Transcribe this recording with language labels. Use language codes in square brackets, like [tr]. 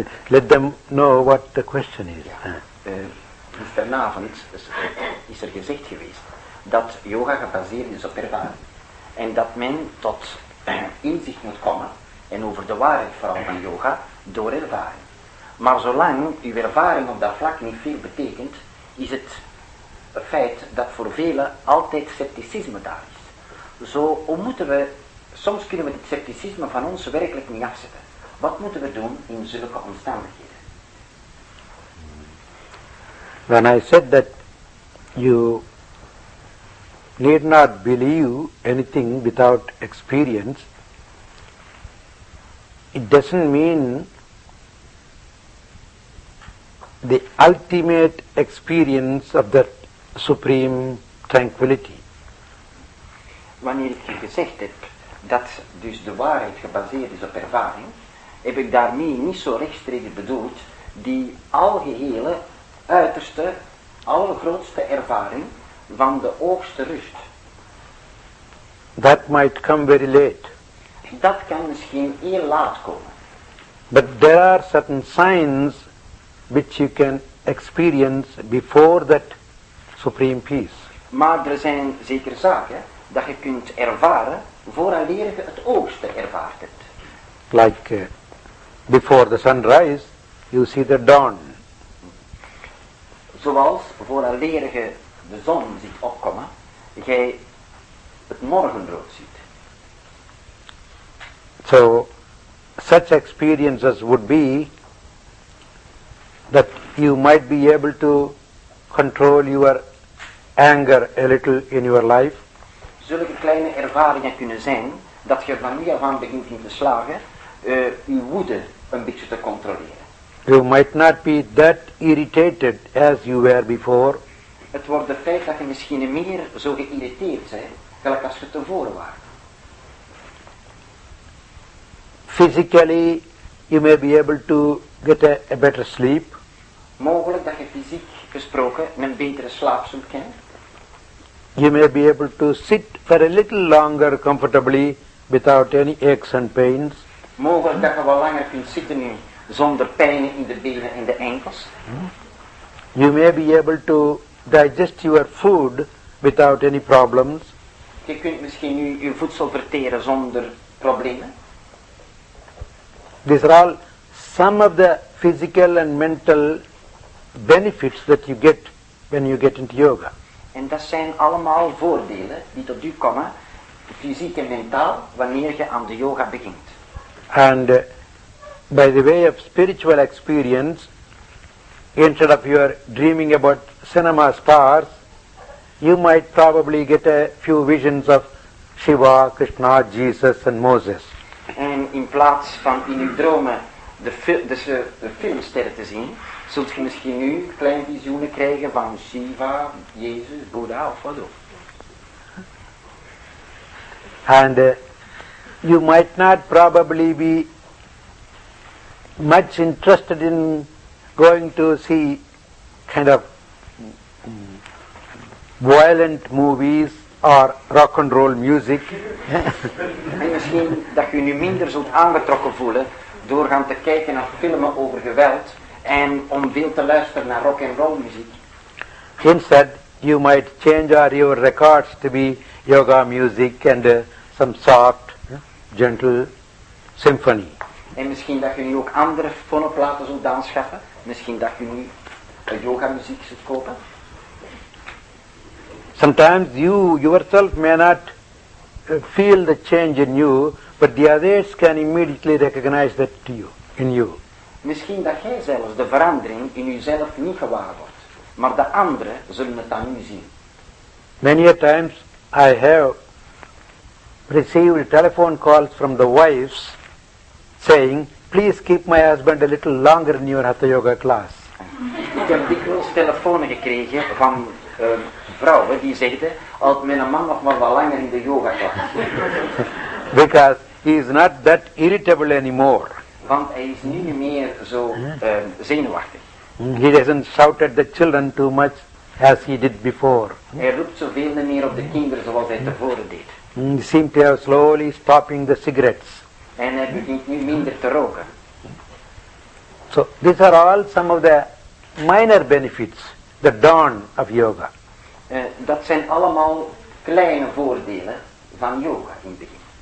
[en] Let them know what the question is. [nl] Vanavond is er gezegd geweest dat yoga gebaseerd is op ervaring. En dat men tot inzicht moet komen en over de waarheid vooral van yoga door ervaring. Maar zolang uw ervaring op dat vlak niet veel betekent, is het een feit dat voor velen altijd scepticisme daar is. Zo, hoe moeten we, soms kunnen we dit scepticisme van ons werkelijk niet afzetten. Wat moeten we doen in zulke omstandigheden? [en] When I said that you need not believe anything without experience, it doesn't mean the ultimate experience of that supreme tranquility. [nl] Wanneer ik je gezegd heb dat dus de waarheid gebaseerd is op ervaring, heb ik daarmee niet zo rechtstreeks bedoeld die algehele, uiterste, allergrootste ervaring van de hoogste rust. [en] That might come very late. [nl] Dat kan misschien heel laat komen. [en] But there are certain signs which you can experience before that supreme peace. [nl] Maar er zijn zeker zaken dat je kunt ervaren vooraleer je het oogste ervaart hebt. [en] Like before the sunrise, you see the dawn. [nl] Zoals vooraleer je de zon ziet opkomen, jij het morgenrood ziet. [en] So, such experiences would be that you might be able to control your anger a little in your life. [nl] Zulke kleine ervaringen kunnen zijn dat je van nu af aan begint in te slagen je woede een beetje te controleren. [en] You might not be that irritated as you were before. [nl] Het wordt de feit dat je misschien meer zo geïrriteerd bent gelijk als je tevoren was. [en] Physically you may be able to get a better sleep. [nl] Mogelijk dat je fysiek gesproken een betere slaap zult krijgen. [en] You may be able to sit for a little longer comfortably without any aches and pains. [nl] Mogelijk dat je wat langer kunt zitten nu zonder pijnen in de benen en de enkels. [en] You may be able to digest your food without any problems. [nl] Je kunt misschien nu je voedsel verteren zonder problemen. [en] These are all some of the physical and mental benefits that you get when you get into yoga. [nl] En dat zijn allemaal voordelen die tot u komen, fysiek en mentaal, wanneer je aan de yoga begint. [en] And by the way of spiritual experience, instead of your dreaming about cinema stars, you might probably get a few visions of Shiva, Krishna, Jesus and Moses. [nl] En in plaats van in uw dromen de filmsterren te zien, zult je misschien nu kleine visioenen krijgen van Shiva, Jezus, Boeddha of wat ook. [en] And you might not probably be much interested in going to see kind of violent movies or rock and roll music. [nl] En misschien dat je nu minder zult aangetrokken voelen door gaan te kijken naar filmen over geweld en om veel te luisteren naar rock and roll muziek. [en] Instead, you might change your records to be yoga music and some soft, gentle symphony. [nl] En misschien dat je nu ook andere fonoplaten zult aanschaffen. Misschien dat je nu yoga muziek zult kopen. [en] Sometimes you yourself may not feel the change in you, but the others can immediately recognize that to you, in you. [nl] Misschien dat jij zelfs de verandering in jezelf niet gewaar wordt, maar de anderen zullen het aan u zien. [en] Many a times I have received telephone calls from the wives saying, please keep my husband a little longer in your Hatha Yoga class. [nl] Ik heb dikwijls telefoons gekregen van vrouwen die zeiden, houd mijn man nog maar wat langer in de yoga class. [en] Because he is not that irritable anymore. [nl] Want hij is nu niet meer zo zenuwachtig. [en] He doesn't shout at the children too much as he did before. [nl] Hij roept zoveel niet meer op de kinderen zoals hij tevoren deed. [en] He seemed to have slowly stopping the cigarettes. [nl] En hij begint nu minder te roken. [en] So these are all some of the minor benefits, the dawn of yoga. [nl] Dat zijn allemaal kleine voordelen van yoga in het begin.